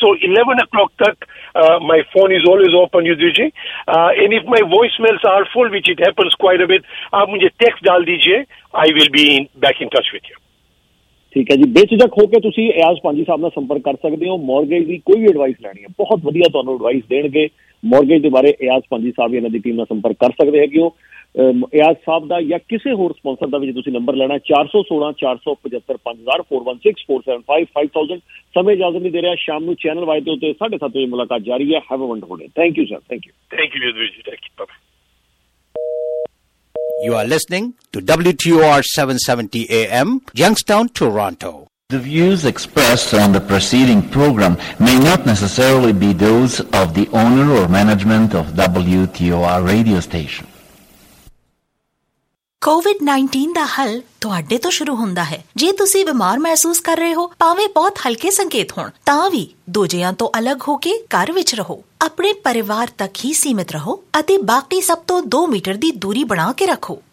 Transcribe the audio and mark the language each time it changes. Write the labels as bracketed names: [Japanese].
[English] So 11 o'clock tak, my phone is always open, Yudhiji. And if my voicemails are full, which it happens quite a bit, [Hindi] aap mujhe text dal dijiye. [English] I will be back in touch with you. [Punjabi] ਠੀਕ ਹੈ ਜੀ, ਬੇਝਿਜਕ ਹੋ ਕੇ ਤੁਸੀਂ ਐਯਾਜ਼ ਪਾਂਜੀ ਸਾਹਿਬ ਨਾਲ ਸੰਪਰਕ ਕਰ ਸਕਦੇ ਹੋ, ਮੋਰਗੇਜ ਦੀ ਕੋਈ ਵੀ ਐਡਵਾਈਸ ਲੈਣੀ ਹੈ, ਬਹੁਤ ਵਧੀਆ ਤੁਹਾਨੂੰ ਐਡਵਾਈਸ ਦੇਣਗੇ ਮੋਰਗੇਜ ਦੇ ਬਾਰੇ ਐਯਾਜ਼ ਪਾਂਜੀ ਸਾਹਿਬ, ਇਹਨਾਂ ਦੀ ਟੀਮ ਨਾਲ ਸੰਪਰਕ ਕਰ ਸਕਦੇ ਹੈਗੇ ਹੋ ਐਯਾਜ਼ ਸਾਹਿਬ ਦਾ, ਜਾਂ ਕਿਸੇ ਹੋਰ ਸਪੋਂਸਰ ਦਾ ਵੀ ਜੇ ਤੁਸੀਂ ਨੰਬਰ ਲੈਣਾ, 416-475-5000. ਸਮੇਂ ਜਲਦੀ ਨਹੀਂ ਦੇ ਰਿਹਾ, ਸ਼ਾਮ ਨੂੰ ਚੈਨਲ ਵਾਈ ਦੇ ਉੱਤੇ 7:30 ਵਜੇ ਮੁਲਾਕਾਤ ਜਾਰੀ ਹੈ. [English] Have a wonderful day. Thank you sir. Thank you. Thank you ji. Thank you. You are listening to WTOR 770 AM, Youngstown, Toronto. The views expressed on the preceding program may not necessarily be those of the owner or management of WTOR radio station. [Punjabi] COVID-19 ਦਾ ਹੱਲ ਤੁਹਾਡੇ ਤੋਂ ਸ਼ੁਰੂ ਹੁੰਦਾ ਹੈ। ਜੇ ਤੁਸੀਂ ਬਿਮਾਰ ਮਹਿਸੂਸ ਕਰ ਰਹੇ ਹੋ, ਭਾਵੇਂ ਬਹੁਤ ਹਲਕੇ ਸੰਕੇਤ ਹੋਣ, ਤਾਂ ਵੀ ਦੂਜਿਆਂ ਤੋਂ ਅਲੱਗ ਹੋ ਕੇ ਘਰ ਵਿੱਚ ਰਹੋ, ਆਪਣੇ ਪਰਿਵਾਰ ਤੱਕ ਹੀ ਸੀਮਿਤ ਰਹੋ ਅਤੇ ਬਾਕੀ ਸਭ ਤੋਂ 2 ਮੀਟਰ ਦੀ ਦੂਰੀ ਬਣਾ ਕੇ ਰੱਖੋ।